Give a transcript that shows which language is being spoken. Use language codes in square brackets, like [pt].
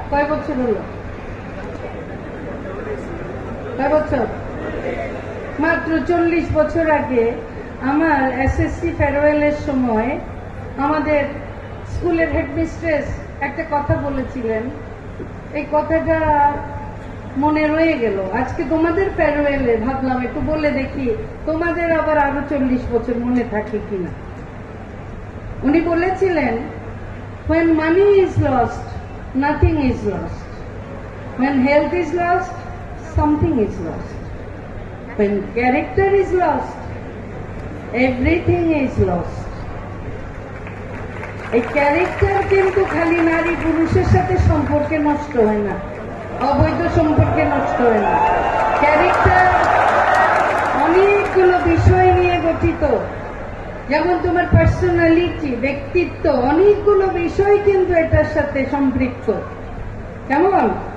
[bn] কয় বছর হলো, কয় বছর, মাত্র ৪০ বছর আগে আমার এসএসসি ফেয়ারওয়েলের সময় আমাদের স্কুলের হেডমিস্ট্রেস একটা কথা বলেছিলেন, এই কথাটা মনে রয়ে গেল। আজকে তোমাদের ফেয়ারওয়েলে ভাবলাম একটু বলে দেখি তোমাদের আবার আরো ৪০ বছর মনে থাকে কিনা। উনি বলেছিলেন, [en] When money is lost, nothing is lost. When health is lost, something is lost. When character is lost, everything is lost. [bn] এই ক্যারেক্টার কিন্তু খালি নারী পুরুষের সাথে সম্পর্কে নষ্ট হয় না, অবৈধ সম্পর্কে নষ্ট হয় না, ক্যারেক্টার অনেকগুলো বিষয় নিয়ে গঠিত, যেমন তোমার পার্সোনালিটি ব্যক্তিত্ব অনেকগুলো বিষয় কিন্তু এটার সাথে সম্পৃক্ত, কেমন।